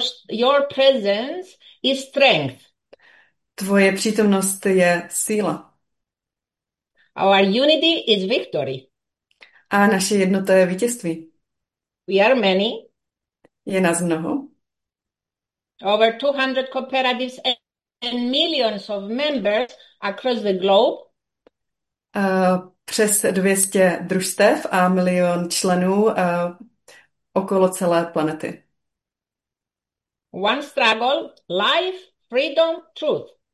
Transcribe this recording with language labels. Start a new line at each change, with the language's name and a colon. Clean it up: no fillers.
English: Your presence is strength.
Czech: Tvoje přítomnost je síla.
English: Our unity is victory.
Czech: A naše jednota je vítězství.
English: We are many.
Czech: Je nás mnoho.
English: Over 200 cooperatives and millions of members across the globe.
Czech: Přes 200 družstev a milion členů okolo celé planety.
English: One struggle, life, freedom, truth.